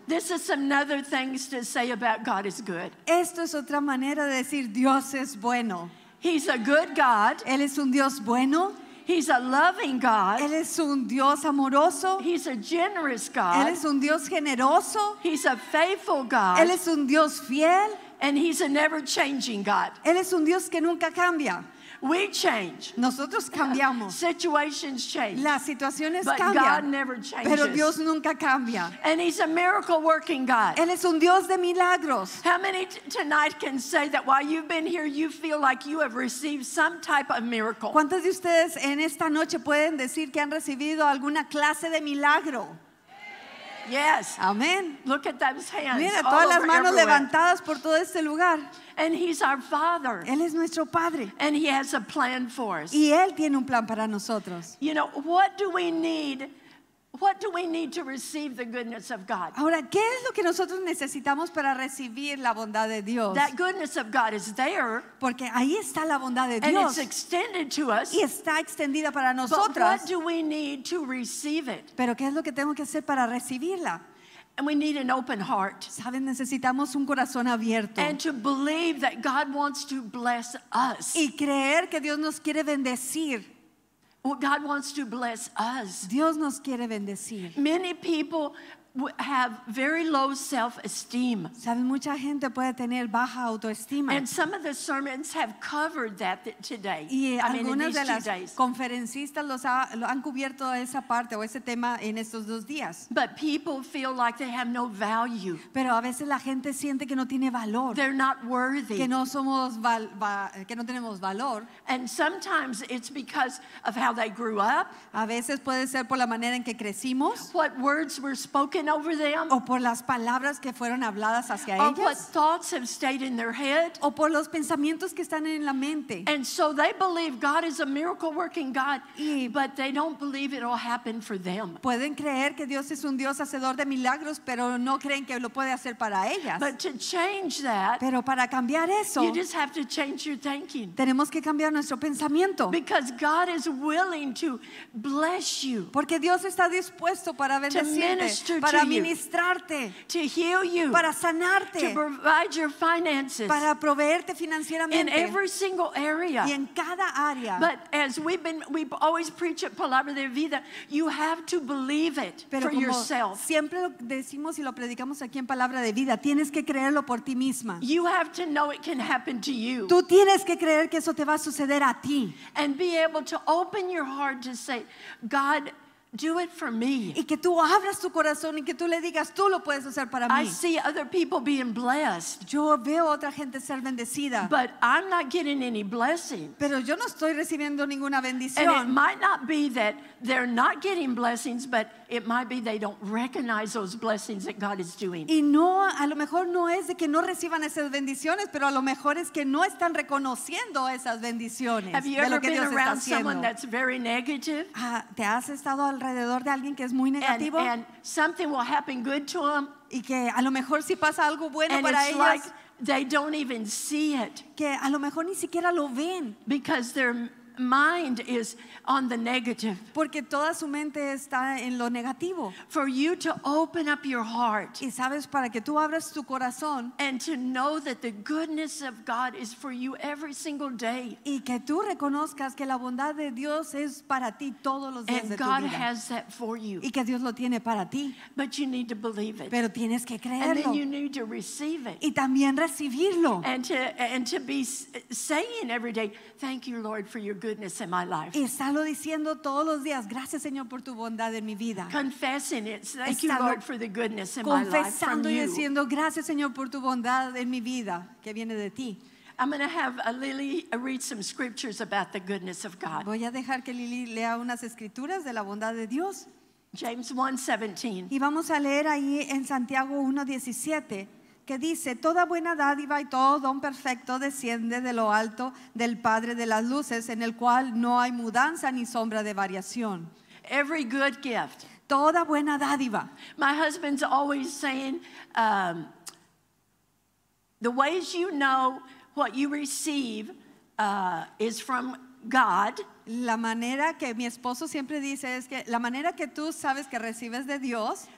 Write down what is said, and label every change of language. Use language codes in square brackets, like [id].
[en] This is another thing to say about God is good. [es] Esto es otra manera de decir Dios es bueno. [en] He's a good God. [es] Él es un Dios bueno. [en] He's a loving God. [es] Él es un Dios amoroso. [en] He's a generous God. [es] Él es un Dios generoso. [en] He's a faithful God. [es] Él es un Dios fiel. [en] And He's a never-changing God. [es] Él es un Dios que nunca cambia. [en] We change. [es] Nosotros cambiamos. [en] Situations change. [es] Las situaciones [en] but [es] cambian. [en] God never changes. [es] Pero Dios nunca cambia. [en] And He's a miracle-working God. [es] Él es un Dios de milagros. [en] How many tonight can say that while you've been here, you feel like you have received some type of miracle? [es] ¿Cuántos de ustedes en esta noche pueden decir que han recibido alguna clase de milagro? [en] Yes. Amen. Look at those hands. [es] Mira todas las manos levantadas por todo este lugar. [en] And He's our Father. [es] Él es nuestro padre. [en] And He has a plan for us. [es] Y él tiene un plan para nosotros. [en] You know, what do we need? What do we need to receive the goodness of God? [es] Ahora, ¿qué es lo que nosotros necesitamos para recibir la bondad de Dios? [en] That goodness of God is there. [es] Porque ahí está la bondad de [en] and [es] Dios. [en] And it's extended to us. [es] Y está extendida para nosotros. [en] But what do we need to receive it? [es] Pero ¿qué es lo que tengo que hacer para recibirla? [en] And we need an open heart. [es] ¿Saben? Necesitamos un corazón abierto. [en] And to believe that God wants to bless us. [es] Y creer que Dios nos quiere bendecir. [en] God wants to bless us. [es] Dios nos quiere bendecir. [en] Many people have very low self-esteem. [es] ¿Saben? Mucha gente puede tener baja autoestima. [en] And some of the sermons have covered that today. [es] Y algunas de las conferencistas han cubierto esa parte o ese tema en estos dos días. [en] But people feel like they have no value. [es] Pero a veces la gente siente que no tiene valor. [en] They're not worthy. [es] Que no somos que no tenemos valor. [en] And sometimes it's because of how they grew up. [es] A veces puede ser por la manera en que crecimos. [en] What words were spoken over them, [es] o por las palabras que fueron habladas hacia ellas, [en] what thoughts have stayed in their head, [es] o por los pensamientos que están en la mente. [en] And so they believe God is a miracle working God, but they don't believe it'll happen for them. [es] Pueden creer que Dios es un Dios hacedor de milagros, pero no creen que lo puede hacer para ellas. [en] But to change that, [es] pero para cambiar eso, [en] you just have to change your thinking. [es] Tenemos que cambiar nuestro pensamiento. [en] Because God is willing to bless you. [es] Porque Dios está dispuesto para bendecirte. Para ministrarte, [en] to heal you, [es] para sanarte, [en] to provide your finances, [es] para proveerte financieramente, [en] in every single area, [es] y en cada área. [en] But as we've always preach at Palabra de Vida, you have to believe it for yourself. [es] Siempre lo decimos y lo predicamos aquí en Palabra de Vida. Tienes que creerlo por ti misma. [en] You have to know it can happen to you. [es] Tú tienes que creer que eso te va a suceder a ti. [en] And be able to open your heart to say, God. Do it for me. [es] Y que tú abras tu corazón y que tú le digas, tú lo puedes hacer para mí. [en] I see other people being blessed. [es] Yo veo otra gente ser bendecida. [en] But I'm not getting any blessings. [es] Pero yo no estoy recibiendo ninguna bendición. [en] And it might not be that they're not getting blessings, but it might be they don't recognize those blessings that God is doing. [es] Y no, a lo mejor no es de que no reciban esas bendiciones, pero a lo mejor es que no están reconociendo esas bendiciones de lo que Dios está haciendo. [en] Have you ever been around someone that's very negative? [es] ¿Te has estado alrededor de alguien que es muy negativo? [en] And something will happen good to them. [es] Y que a lo mejor si pasa algo bueno [en] and [es] para ellos. [en] Like they don't even see it. [es] Que a lo mejor ni siquiera lo ven. [en] Because they're mind is on the negative. [es] Porque toda su mente está en lo negativo. [en] For you to open up your heart. [es] Y sabes, para que tú abras tu corazón. [en] And to know that the goodness of God is for you every single day. [es] Y que tú reconozcas que la bondad de Dios es para ti todos los días de tu vida. [en] And God has that for you. [es] Y que Dios lo tiene para ti. [en] But you need to believe it. [es] Pero tienes que creerlo. [en] And then you need to receive it. [es] Y también recibirlo. [en] And to be saying every day, thank you, Lord, for your goodness in my life. [es] Estarlo diciendo todos los días, gracias, Señor, por tu bondad en mi vida. [en] Confessing it, thank you, Lord, for the goodness in my life. [es] Confesando y diciendo gracias, Señor, por tu bondad en mi vida, que viene de ti. [en] I'm going to have Lily read some scriptures about the goodness of God. [es] Voy a dejar que Lily lea unas escrituras de la bondad de Dios. [en] James 1:17. [es] Y vamos a leer ahí en Santiago 1:17. Que dice, toda buena dádiva y todo don perfecto desciende de lo alto del Padre de las luces, en el cual no hay mudanza ni sombra de variación. [en] Every good gift. [es] Toda buena dádiva. [en] My husband's always saying, the ways you know what you receive is from God. [es] La manera que mi esposo siempre dice es que la manera que tú sabes que recibes de Dios,